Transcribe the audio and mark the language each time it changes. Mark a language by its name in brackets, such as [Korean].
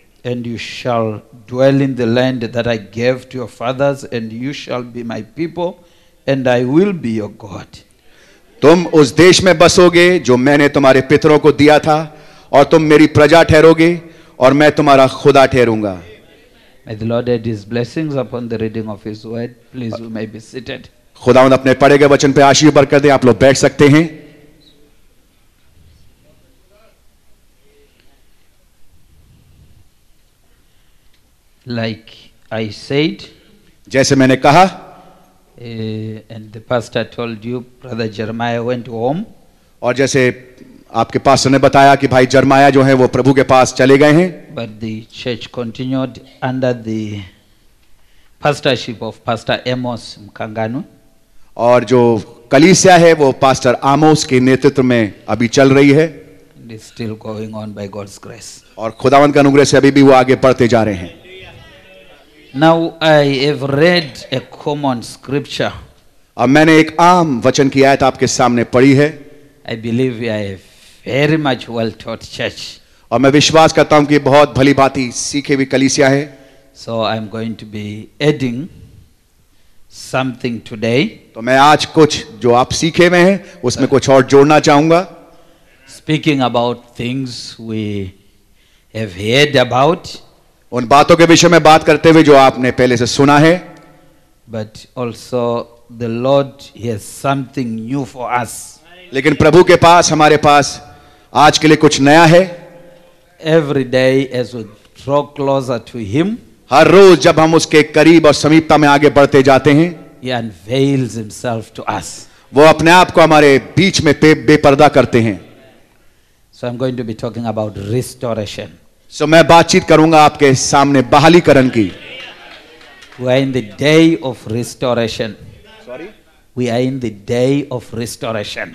[English] And you shall dwell in the land that I gave to your fathers and you shall be my people and I will be your God. [Hindi] तुम उस देश में बसोगे जो मैंने तुम्हारे पितरों को दिया था और तुम मेरी प्रजा ठहरोगे और मैं तुम्हारा खुदा ठहरूंगा. [English] May the Lord add his blessings upon the reading of his word. Please you may be seated. [Hindi] खुदावंद अपने पढ़े गए वचन पे आशीष बरकत दे. आप लोग बैठ सकते हैं. [English] Like I said, [Hindi] जैसे मैंने कहा, [English] And the pastor told you, brother Jeremiah went home. [Hindi] और जैसे आपके पास्टर ने बताया कि भाई जर्माया जो है वो प्रभु के पास चले गए हैं. [English] But the church continued under the pastorship of Pastor Amos Mkanganu. [Hindi] और जो कलीसिया है वो पास्टर आमोस के नेतृत्व में अभी चल रही है. [English] And it's still going on by God's grace. [Hindi] और खुदावंत के अनुग्रह से अभी भी वो आगे बढ़ते जा रहे हैं. [English] Now I have read a common scripture. [Hindi] अब मैंने एक आम वचन की आयत आपके सामने पढ़ी है. [English] I believe we are a very much well taught church. [Hindi] और मैं विश्वास करता हूँ कि बहुत भली भांति सीखे हुई कलीसिया है. [English] So I am going to be adding something today. [Hindi] तो मैं आज कुछ जो आप सीखे हुए हैं उसमें कुछ और जोड़ना चाहूंगा. [English] Speaking about things we have heard about. [Hindi] उन बातों के विषय में बात करते हुए जो आपने पहले से सुना है. [English] But also the Lord, he has something new for us. [Hindi] लेकिन प्रभु के पास हमारे पास आज के लिए कुछ नया है. [English] Every day as we draw closer to him, [Hindi] हर रोज जब हम उसके करीब और समीपता में आगे बढ़ते जाते हैं, [English] he unveils himself to us. [Hindi] वो अपने आप को हमारे बीच में बेपर्दा करते हैं. [English] So I'm going to be talking about restoration. [Hindi] So मैं बातचीत करूंगा आपके सामने बहालीकरण की. [English] We are in the day of restoration. Sorry? We are in the day of restoration.